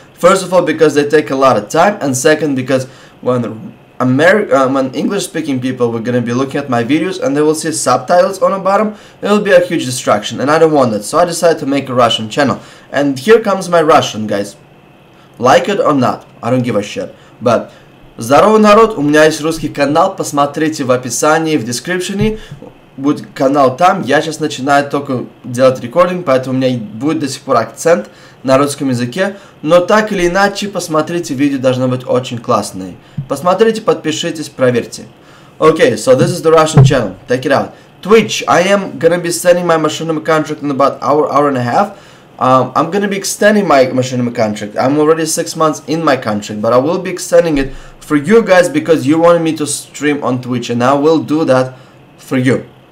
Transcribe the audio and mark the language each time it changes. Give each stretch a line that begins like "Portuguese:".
English: First of all, because they take a lot of time, and second, because when English-speaking people were going to be looking at my videos and they will see subtitles on the bottom, it will be a huge distraction, and I don't want it. So I decided to make a Russian channel. And here comes my Russian, guys. Like it or not, I don't give a shit.
Russian: But, здорово, народ, у меня есть русский канал, посмотрите в описании, в дескрипшене, будет канал там, я сейчас начинаю только делать рекординг, поэтому у меня будет до сих пор акцент на русском языке, но так или иначе, посмотрите, видео должно быть очень классное. Посмотрите, подпишитесь, проверьте.
English: Okay, so this is the Russian channel. Take it out. Twitch, I am gonna be sending my machinima contract in about hour and a half. I'm gonna be extending my machinima contract. I'm already 6 months in my contract, but I will be extending it for you guys because you wanted me to stream on Twitch, and I will do that for you.